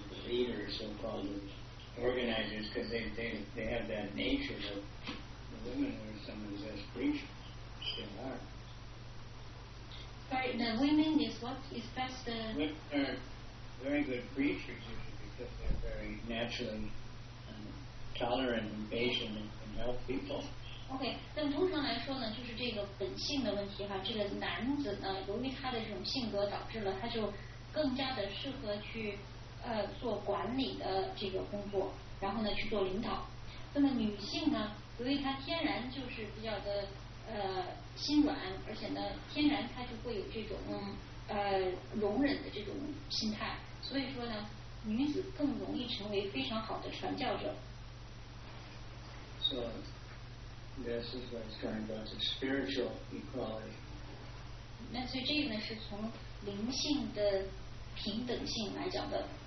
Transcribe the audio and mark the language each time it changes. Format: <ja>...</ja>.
<en>leaders, so-called organizers, because they have that nature of the women who are some of the best preachers. Still are. Sorry, the women is what is best? They're very good preachers because they're very naturally tolerant and patient and help people.</en> <zh>OK, 但通常来说呢，就是这个本性的问题哈。这个男子呢，由于他的这种性格，导致了他就更加的适合去做管理的这个工作，然后呢去做领导。那么女性呢，由于她天然就是比较的心软，而且呢天然她就会有这种容忍的这种心态，所以说呢，女子更容易成为非常好的传教者。</zh> <en>So. This is what's going about the spiritual equality.</en> <zh>那所以这个呢是从灵性的平等性来讲的。</zh>